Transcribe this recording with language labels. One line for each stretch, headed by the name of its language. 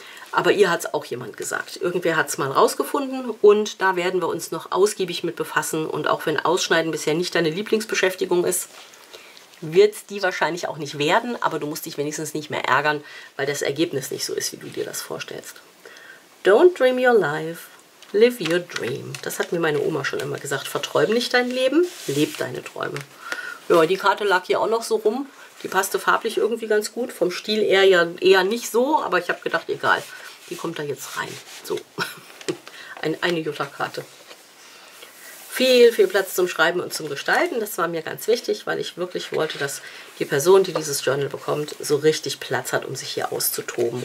German: Aber ihr hat es auch jemand gesagt. Irgendwer hat es mal rausgefunden und da werden wir uns noch ausgiebig mit befassen. Und auch wenn Ausschneiden bisher nicht deine Lieblingsbeschäftigung ist, wird die wahrscheinlich auch nicht werden. Aber du musst dich wenigstens nicht mehr ärgern, weil das Ergebnis nicht so ist, wie du dir das vorstellst.
English: Don't dream your life, live your dream.
German: Das hat mir meine Oma schon immer gesagt. Verträum nicht dein Leben, leb deine Träume. Ja, die Karte lag hier auch noch so rum. Die passte farblich irgendwie ganz gut, vom Stil eher ja eher nicht so, aber ich habe gedacht, egal, die kommt da jetzt rein. So, eine Jutta-Karte. Viel, viel Platz zum Schreiben und zum Gestalten, das war mir ganz wichtig, weil ich wirklich wollte, dass die Person, die dieses Journal bekommt, so richtig Platz hat, um sich hier auszutoben.